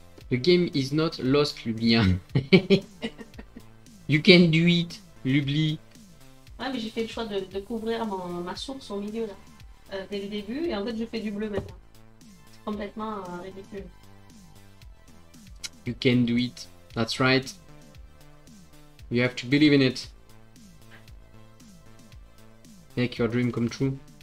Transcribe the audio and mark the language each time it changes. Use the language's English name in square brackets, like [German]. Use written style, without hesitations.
[English] The game is not lost, Lublin. You can do it, Lubli. [French] Ouais, mais j'ai fait le choix de couvrir ma source au milieu, là. Dès le début, et en fait, je fais du bleu maintenant. C'est complètement ridicule. [English] You can do it. That's right. You have to believe in it. Make your dream come true.